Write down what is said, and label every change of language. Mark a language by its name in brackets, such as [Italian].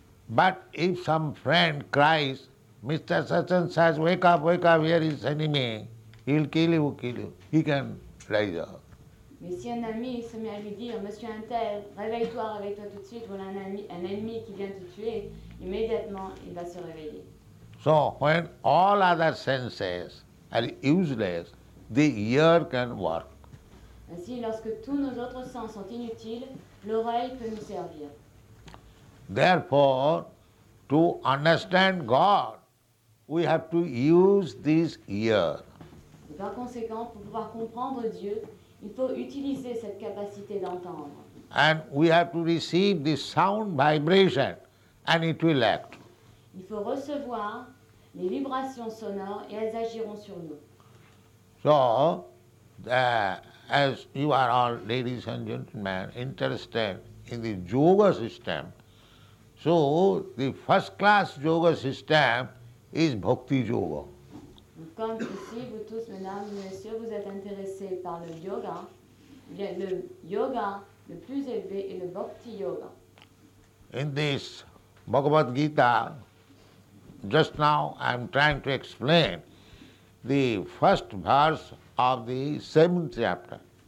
[English] But if some friend cries, Mr. Sachin says, wake up, here is enemy, he'll kill you, he can rise up. [French] Mais si un ami se met à lui dire, Monsieur Intel, réveille-toi tout de suite, voilà un ennemi qui vient te tuer, immédiatement il va se réveiller. [English] So when all other senses are useless, the ear can work. [French] Ainsi, lorsque tous nos autres sens sont inutiles, l'oreille peut nous servir. [English] Therefore, to understand God, we have to use this ear. [French] Et par conséquent, pour pouvoir comprendre Dieu, il faut utiliser cette capacité d'entendre. [English] And we have to receive this sound vibration, and it will act. [French] Il faut recevoir les vibrations sonores et elles agiront sur nous. [English] So, as you are all, ladies and gentlemen, interested in the yoga system, so the first class yoga system is bhakti yoga. [French] Comme ici, vous tous, mesdames et messieurs, vous êtes intéressés par le yoga, le yoga le plus élevé est le bhakti yoga. [English] In this Bhagavad Gita, just now I am trying to explain the first verse of the seventh chapter.